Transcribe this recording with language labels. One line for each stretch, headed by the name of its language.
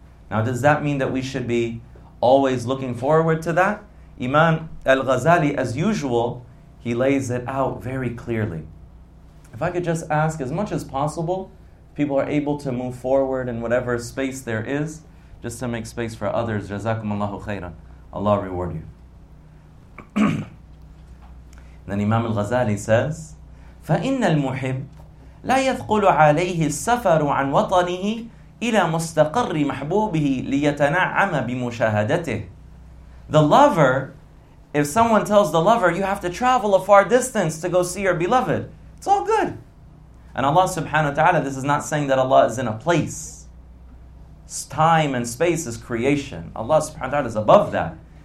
English: Now, does that mean that we should be always looking forward to that? Imam Al-Ghazali, as usual, he lays it out very clearly. If I could just ask as much as possible, if people are able to move forward in whatever space there is, just to make space for others. Jazakum Allahu khairan. Allah reward you. Then Imam Al-Ghazali says,
Arabic: فَإِنَّ الْمُحِبُّ لَا يَثْقُلُ عَلَيْهِ السَّفَرُ عَنْ وَطَنِهِ إِلَى مُسْتَقَرِّ مَحْبُوبِهِ لِيَتَنَعَّمَ بِمُشَاهَدَتِهِ.
English: The lover, if someone tells the lover, you have to travel a far distance to go see your beloved, it's all good. And Allah subhanahu wa ta'ala, this is not saying that Allah is in a place. Time and space is creation. Allah subhanahu wa ta'ala is above that.